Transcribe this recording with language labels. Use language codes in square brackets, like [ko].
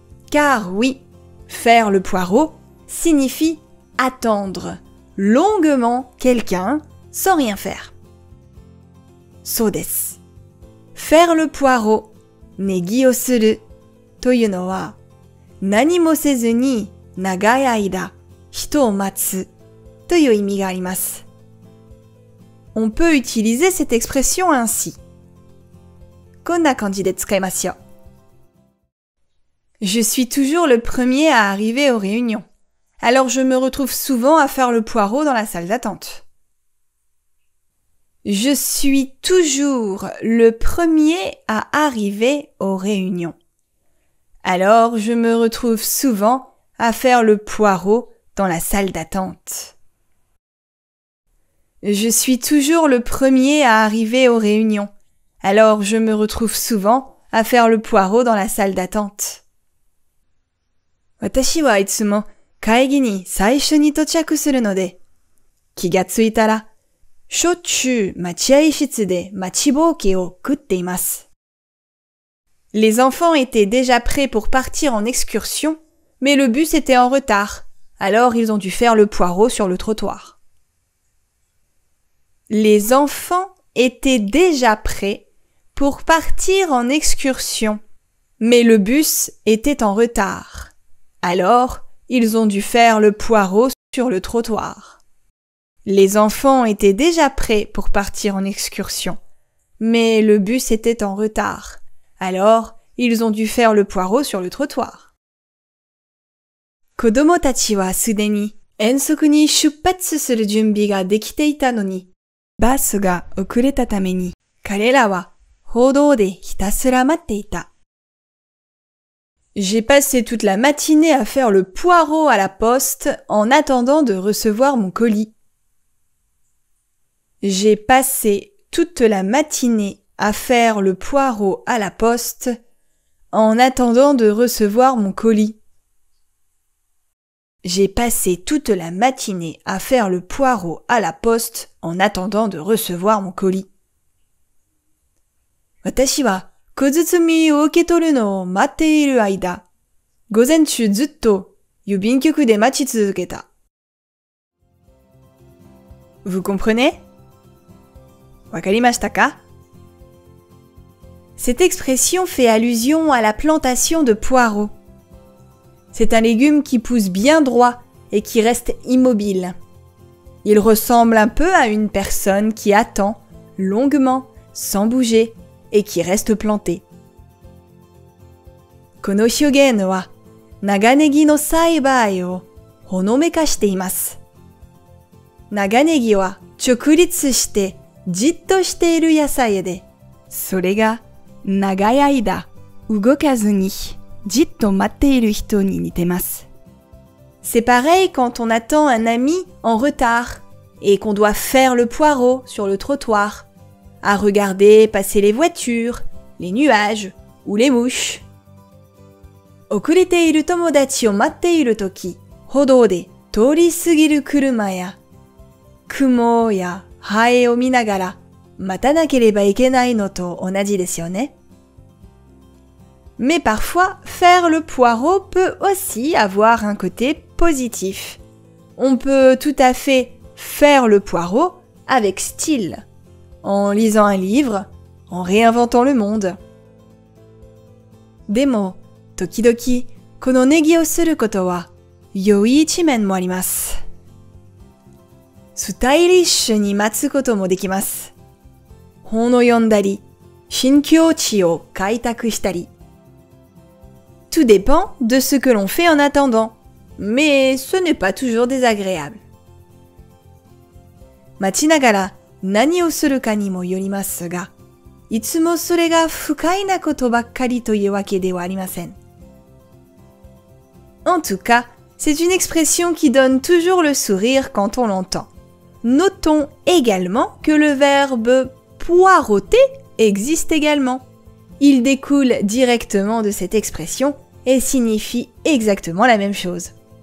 [fr] Car oui, faire le poireau signifie attendre longuement quelqu'un sans rien faire. [ja] そうです。 [fr] faire le poireau, [ja] ネギをするというのは、何もせずに長い間人を待つ。という意味があります。 [fr] On peut utiliser cette expression ainsi. [ja] こんな感じで使いますよ。 [fr] Je suis toujours le premier à arriver aux réunions. Alors je me retrouve souvent à faire le poireau dans la salle d'attente. Je suis toujours le premier à arriver aux réunions. Alors je me retrouve souvent à faire le poireau dans la salle d'attente. Je suis toujours le premier à arriver aux réunions. Alors, je me retrouve souvent à faire le poireau dans la salle d'attente. [ja] 私はいつも会議に最初に到着するので、気がついたら、しょっちゅう待合室で待ちぼうけを食っています。 [fr] Les enfants étaient déjà prêts pour partir en excursion, mais le bus était en retard. Alors, ils ont dû faire le poireau sur le trottoir. Les enfants étaient déjà prêts pour partir en excursion, mais le bus était en retard. Alors, ils ont dû faire le poireau sur le trottoir. Les enfants étaient déjà prêts pour partir en excursion, mais le bus était en retard. Alors, ils ont dû faire le poireau sur le trottoir. [ja] 子供たちはすでに遠足に出発する準備ができていたのに、バスが遅れたために、彼らは報道でひたすら待っていた。 [fr] J'ai passé toute la matinée à faire le poireau à la poste en attendant de recevoir mon colis. J'ai passé toute la matinée à faire le poireau à la poste en attendant de recevoir mon colis. J'ai passé toute la matinée à faire le poireau à la poste en attendant de recevoir mon colis. [ja] 私は小包を受け取るのを待っている間、午前中ずっと郵便局で待ち続けた。 [fr] Vous comprenez? [ja] わかりましたか? [fr] Cette expression fait allusion à la plantation de poireaux. C'est un légume qui pousse bien droit et qui reste immobile. Il ressemble un peu à une personne qui attend longuement, sans bouger. Et qui reste planté. [ja] この表現は長ネギの栽培をほのめかしています。長ネギは直立してじっとしている野菜で、それが長い間動かずにじっと待っている人に似てます。 [fr] C'est pareil quand on attend un ami en retard et qu'on doit faire le poireau sur le trottoir. À regarder passer les voitures, les nuages ou les mouches. [ja] 遅れている友達を待っているとき、歩道で通り過ぎる車や、雲やハエを見ながら待たなければいけないのと同じですよね。 [fr] Mais parfois, faire le poireau peut aussi avoir un côté positif. On peut tout à fait faire le poireau avec style. En lisant un livre, en réinventant le monde. [ja] でも、時々、このネギをすることは、良い一面もあります。スタイリッシュに待つこともできます。本を読んだり、新境地を開拓したり。 [fr] Tout dépend de ce que l'on fait en attendant, mais ce n'est pas toujours désagréable. [ja] 待ちながら、何をするかにもよりますが、いつもそれが不快なことばっかりというわけではありません。 [fr] En tout cas, c'est une expression qui donne toujours le sourire quand on l'entend. Notons également que le verbe poireauter existe également. Il découle directement de cette expression et signifie exactement la même chose.